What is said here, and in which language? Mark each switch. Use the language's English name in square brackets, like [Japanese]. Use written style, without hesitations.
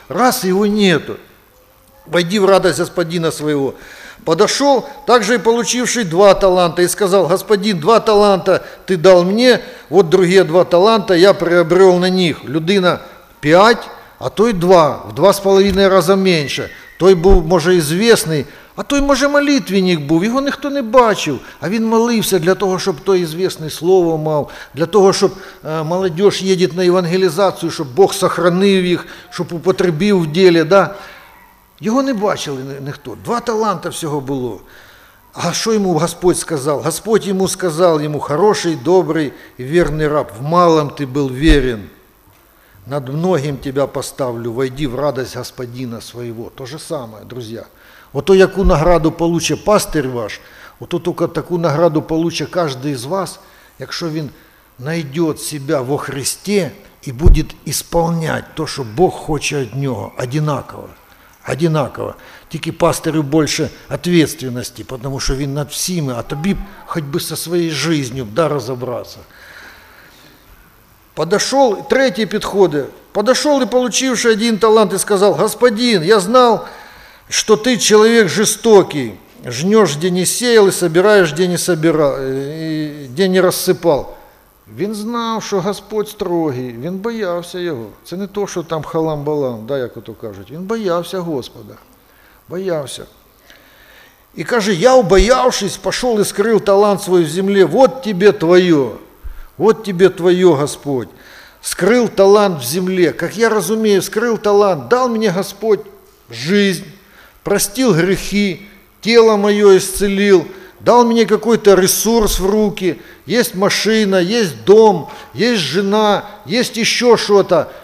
[Russian] Раз его нету. «Войди в радость господина своего». Подошел также и получивший 2 таланта и сказал: «Господин, 2 таланта ты дал мне, вот другие 2 таланта я приобрел на них». Людина 5, а то и 2, в 2,5 раза меньше. [Ukrainian] Той був, може, известный, а той, може, молитвенник був, його ніхто не бачив, а він молився для того, щоб той известний слово мав, для того, щоб молодежь їде на евангелізацію, щоб Бог сохранив їх, щоб употребив в ділі, да? Його не бачили ніхто. 2 таланта всього було. А що йому Господь сказав? Господь йому сказав, йому: [Russian] «Хороший, добрий і вірний раб, в малом ти був вірен, над многим тебя поставлю, войди в радость господина своего». То же самое, друзья. Вот то, яку награду получит пастырь ваш, вот то только такую награду получит каждый из вас, [Ukrainian] якщо він [Russian] найдет себя во Христе и будет исполнять то, что Бог хочет от него, одинаково. Одинаково. [Ukrainian] Тільки [Russian] пастырю больше ответственности, потому что [Ukrainian] він над всеми, а тобі [Russian] хоть бы со своей жизнью, да, разобраться. Подошел, третий подходы. Подошел и получивший 1 талант и сказал: «Господин, я знал, что ты человек жестокий, жнешь, где не сеял, и собираешь, где не собирал, и где не рассыпал». [Ukrainian] Він знав, [Russian] что Господь строгий, [Ukrainian] він боявся [Russian] его. [Ukrainian] Це не то, что там халам-балам, да, як ото кажуть. Він боявся Господа, боявся. [Russian] И [Ukrainian] каже: [Russian] «Я, убоявшись, пошел и скрыл талант свой в земле, вот тебе твое». Вот тебе твое, Господь, скрыл талант в земле. Как я разумею, скрыл талант, дал мне Господь жизнь, простил грехи, тело мое исцелил, дал мне какой-то ресурс в руки, есть машина, есть дом, есть жена, есть еще что-то.